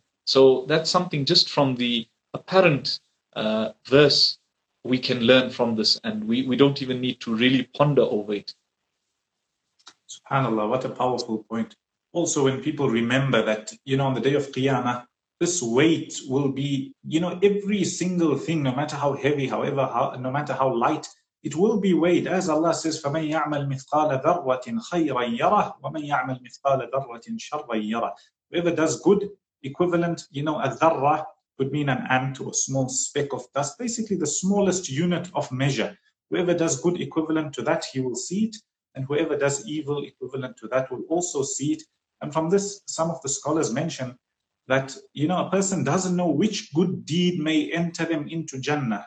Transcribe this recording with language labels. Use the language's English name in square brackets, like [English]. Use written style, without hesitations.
[English] So that's something just from the apparent verse we can learn from this, and we don't even need to really ponder over it. SubhanAllah, what a powerful point. Also, when people remember that, you know, on the day of Qiyamah, this weight will be, you know, every single thing, no matter how heavy, no matter how light, it will be weighed. [Arabic] As Allah says, فَمَنْ يَعْمَلْ مِثْقَالَ ذَرَّةٍ خَيْرًا يَرَهُ وَمَنْ يَعْمَلْ مِثْقَالَ ذَرَّةٍ شَرًّا يَرَهُ. [English] Whoever does good, equivalent, you know, a dharra could mean an ant or a small speck of dust, basically the smallest unit of measure. Whoever does good equivalent to that, he will see it. And whoever does evil equivalent to that will also see it. And from this, some of the scholars mention that, you know, a person doesn't know which good deed may enter them into Jannah.